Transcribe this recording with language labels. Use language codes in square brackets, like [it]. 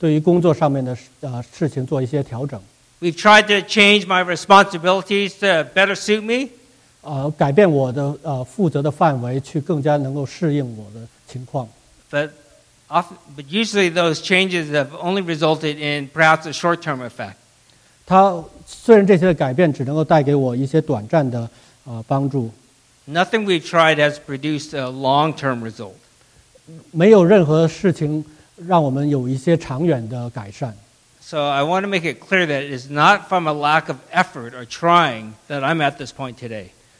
[zh] 周颖牧师跟我之间曾经有对于工作上面的事情做一些调整。 [en] We've tried to change my responsibilities to better suit me. [zh] 改变我的负责的范围，去更加能够适应我的情况。 [en] But usually those changes have only resulted in perhaps a short-term effect. [zh] 它虽然这些改变只能够带给我一些短暂的帮助。 [en] Nothing we've tried has produced a long-term result. [zh] 没有任何事情让我们有一些长远的改善。 [en] So I want to make it clear that it's not from a lack of effort or trying that I'm at this point today.